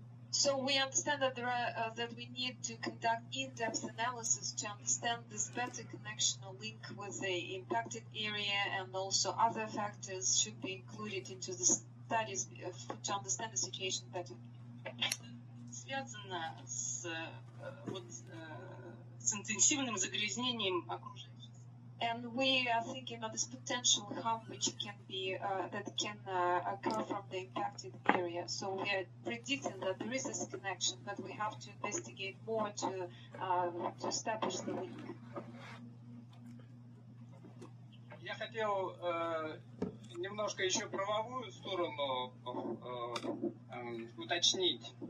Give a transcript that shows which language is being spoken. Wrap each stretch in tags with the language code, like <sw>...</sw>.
<en>So we understand that there are, that we need to conduct in-depth analysis to understand this better connection or link with the impacted area and also other factors should be included into the studies to understand the situation better.</en> <ru>Связано с вот с интенсивным загрязнением окружающей среды.</ru> <en>And we are thinking about this potential harm which can be that can occur from the impacted area. So we are predicting that there is this connection, but we have to investigate more to establish the link.</en> <ru>Я хотел немножко еще правовую сторону уточнить.</ru>